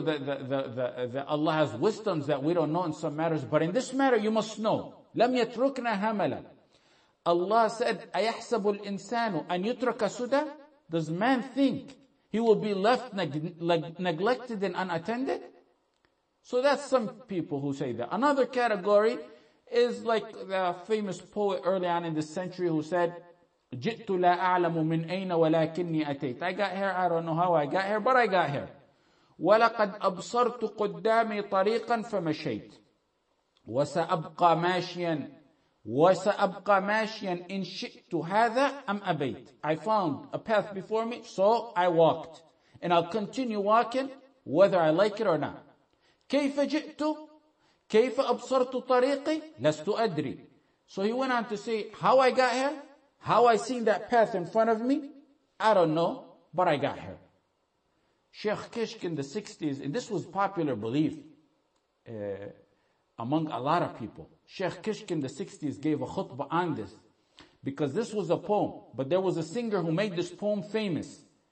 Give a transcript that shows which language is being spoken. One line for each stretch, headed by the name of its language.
English: The Allah has wisdoms that we don't know in some matters. But in this matter, you must know.
Arabic: لَمْ يَتْرُكْنَا هَمَلًا.
English: Allah said,
Arabic: أَيَحْسَبُ الْإِنسَانُ أَنْ يُتْرَكَ سُدًا?
English: Does man think he will be left neglected and unattended? So that's some people who say that. Another category is like the famous poet early on in this century who said,
Arabic: جِئْتُ لَا أَعْلَمُ مِنْ أَيْنَ وَلَكِنِّي أَتَيْتُ.
English: I got here, I don't know how I got here, but I got here.
Arabic: وَلَقَدْ أَبْصَرْتُ قُدَّامِي طَرِيقًا فَمَشَيْتُ وَسَأَبْقَى مَاشِيًا وَسَأَبْقَى مَاشِيًا إِنْ شِئْتُ هَذَا أَمْ أَبَيْتُ.
English: I found a path before me, so I walked. And I'll continue walking, whether I like it or not.
Arabic: كَيْفَ جِئْتُ كَيْفَ أَبْصَرْتُ طَرِيقِي لَسْتُ أَدْرِي.
English: So he went on to say, how I got here, how I seen that path in front of me, I don't know, but I got here. Sheikh Kishk in the 60s, and this was popular belief among a lot of people. Sheikh Kishk in the 60s gave a khutbah on this because this was a poem, but there was a singer who made this poem famous.